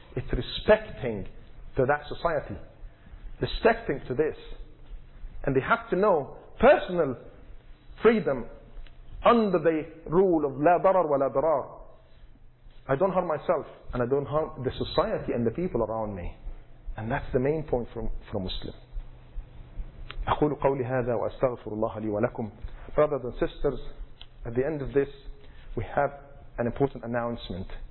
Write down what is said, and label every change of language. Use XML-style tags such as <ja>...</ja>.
<en>It's respecting to that society. Respecting to this. And they have to know personal freedom under the rule of</en> <ar>لا ضرر ولا ضرار.</ar> <en>I don't harm myself and I don't harm the society and the people around me. And that's the main point for a Muslim.</en> <ar>أقول قولي هذا وأستغفر الله لي ولكم.</ar> <en>Brothers and sisters, at the end of this, we have an important announcement.</en>